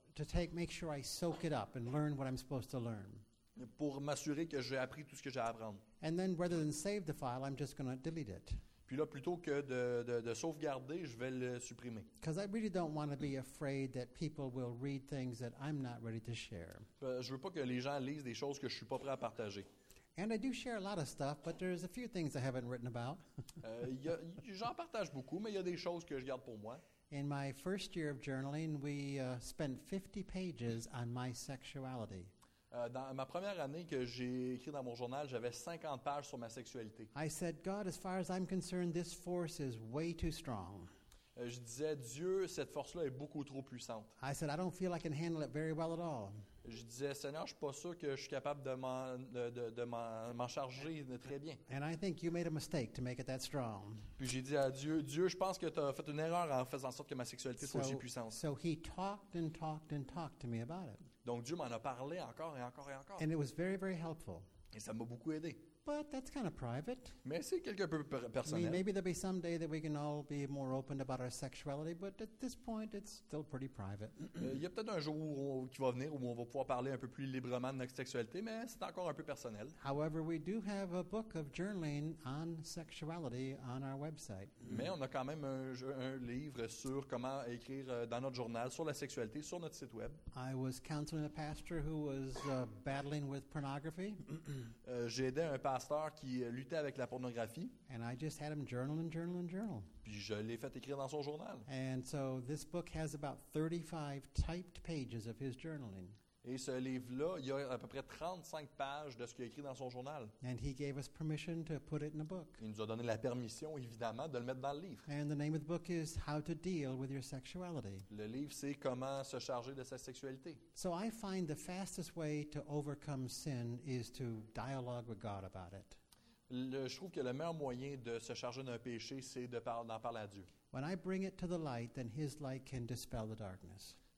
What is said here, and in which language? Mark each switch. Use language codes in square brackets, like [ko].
[en] To make sure I soak it up and learn what I'm supposed to learn. [fr] Pour m'assurer que j'ai appris tout ce que j'ai à apprendre. [en] And then rather than save the file, I'm just going to delete it. [fr] Puis là, plutôt que de sauvegarder, je vais le supprimer. [en] Because I really don't want to be afraid that people will read things that I'm not ready to share. [fr] Je veux pas que les gens lisent des choses que je suis pas prêt à partager. [en] And I do share a lot of stuff, but there's a few things I haven't written about. [fr] J'en partage beaucoup, mais il y a des choses que je garde pour moi. [en] In my first year of journaling, we spent 50 pages on my sexuality. [fr] Dans ma première année que j'ai écrit dans mon journal, j'avais 50 pages sur ma sexualité. [en] I said, God, as far as I'm concerned, this force is way too strong. [fr] Je disais, Dieu, cette force-là est beaucoup trop puissante. [en] I said, I don't feel I can handle it very well at all. [fr] Je disais, Seigneur, je ne suis pas sûr que je suis capable de m'en charger très bien. [en] And I think you made a mistake to make it that strong. [fr] Puis j'ai dit à Dieu, je pense que tu as fait une erreur en faisant en sorte que ma sexualité soit aussi puissante. [en] So he talked and talked and talked to me about it. [fr] Donc Dieu m'en a parlé encore et encore et encore. [en] And it was very, very helpful. [fr] Et ça m'a beaucoup aidé. [en] But that's kind of private. [fr] Mais c'est quelque peu personnel. [en] I mean, maybe there'll be some day that we can all be more open about our sexuality, but at this point, it's still pretty private. [fr] Il y a peut-être un jour qui va venir où on va pouvoir parler un peu plus librement de notre sexualité, mais c'est encore un peu personnel. [en] However, we do have a book of journaling on sexuality on our website. [fr] Mais on a quand même un livre sur comment écrire dans notre journal sur la sexualité sur notre site web. [en] I was counseling a pastor who was battling with pornography. [fr] J'ai aidé un pasteur qui luttait avec la pornographie. [en] And I just had him journal and journal and journal. [fr] Puis je l'ai fait écrire dans son journal. [en] And so this book has about 35 typed pages of his journaling. [fr] Et ce livre-là, il y a à peu près 35 pages de ce qu'il a écrit dans son journal. [en] And he gave us permission to put it in a book. [fr] Il nous a donné la permission, évidemment, de le mettre dans le livre. [en] And the name of the book is How to Deal with Your Sexuality. [fr] Le livre, c'est Comment se charger de sa sexualité. [en] So I find the fastest way to overcome sin is to dialogue with God about it. [fr] Je trouve que le meilleur moyen de se charger d'un péché, c'est d'en parler à Dieu. [en] When I bring it to the light, then his light can dispel the darkness.